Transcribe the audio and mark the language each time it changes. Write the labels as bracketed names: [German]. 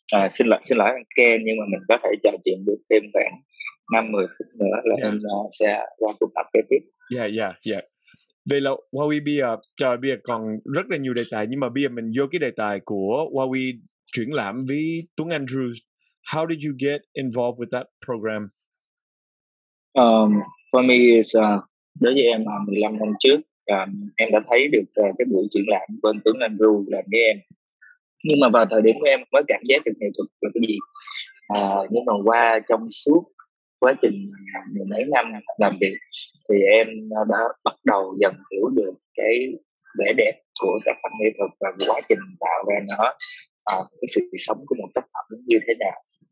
[Vietnamese] xin lỗi anh Ken, nhưng mà mình có thể trò chuyện được thêm khoảng 5-10 phút nữa là yeah. Em sẽ qua cuộc họp kế tiếp. Yeah. Vậy là Huawei bây giờ còn rất là nhiều đề tài, nhưng mà bây giờ mình vô cái đề tài của Huawei triển lãm với Tuấn Andrew. [English] How did you get involved with that program? For me is [Vietnamese] đối với em 15 năm trước em đã thấy được cái buổi triển lãm bên Tuấn Andrew làm với em, nhưng mà vào thời điểm của em mới cảm giác được nghệ thuật là cái gì. Nhưng mà qua trong suốt quá trình mười mấy năm làm việc thì em đã bắt đầu dần hiểu được cái vẻ đẹp của tác phẩm nghệ thuật và quá trình tạo ra nó, cái sự sống của một tác phẩm như thế nào.